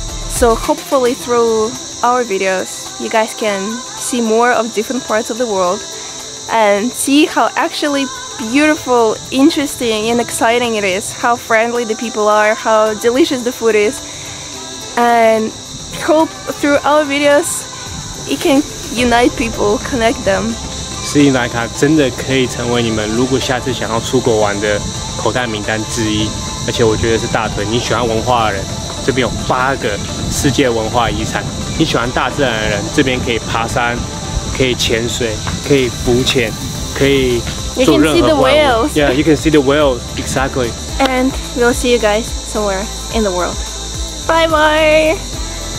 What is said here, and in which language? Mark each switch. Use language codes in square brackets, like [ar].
[en] So hopefully through our videos, you guys can see more of different parts of the world and see how actually beautiful, interesting, and exciting it is, how friendly the people are, how delicious the food is. And hope through our videos, it can unite people, connect them. [zh] 斯里兰卡真的可以成为你们如果下次想要出国玩的口袋名单之一。而且我觉得是大腿，你喜欢文化的人，这边有8个世界文化遗产；你喜欢大自然的人，这边可以爬山，可以潜水，可以浮潜，可以做任何。 [en] You can see the whales. Yeah, you can see the whales exactly. And we'll see you guys somewhere in the world. Bye bye.